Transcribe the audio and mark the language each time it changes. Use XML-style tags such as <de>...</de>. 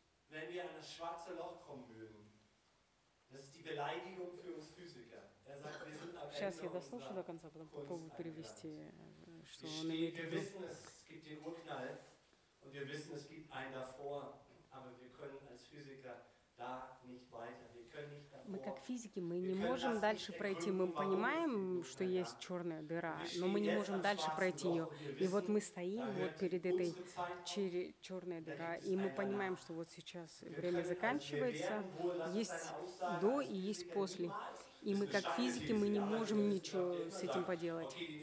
<de>Wenn wir an das schwarze Loch kommen würden, das ist die Beleidigung für uns Physiker. Sagt, wir sind am</de> <ru>сейчас</ru> <de>Ende</de> <ru>я дослушаю до конца, потом попробую перевести, что он имеет.</ru> <de>Wir wissen, es gibt den Urknall und wir wissen, es gibt einen davor, aber wir können als Physiker da nicht weiter. Wir können nicht davor.</de> <ru>мы как физики, мы не можем дальше пройти. Мы понимаем, что есть черная дыра, но мы не можем дальше пройти ее. И вот мы стоим вот перед этой черной дырой, и мы понимаем, что вот сейчас время заканчивается. Есть до и есть после. И мы как физики, мы не можем ничего с этим поделать.</ru>